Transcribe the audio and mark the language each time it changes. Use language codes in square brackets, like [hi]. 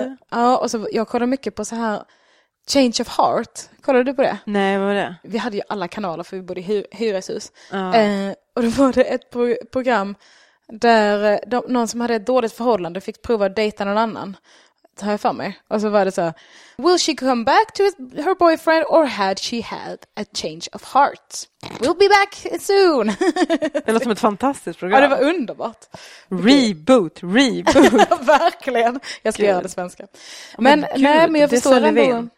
[sv] Ja, och så jag kollade mycket på så här Change of Heart. Kollade du på det? Nej, vad var det? Vi hade ju alla kanaler för vi bodde i hyreshus. Ja. Och då var det ett program där någon som hade ett dåligt förhållande fick prova att dejta någon annan. Här för mig. Och så var det så, [en] will she come back to her boyfriend or had she had a change of heart? We'll be back soon. [sv] Det låter som ett fantastiskt program. Ja, det var underbart. [en] Reboot. [sv] Verkligen. Jag ska göra det svenska. Men jag förstår ändå.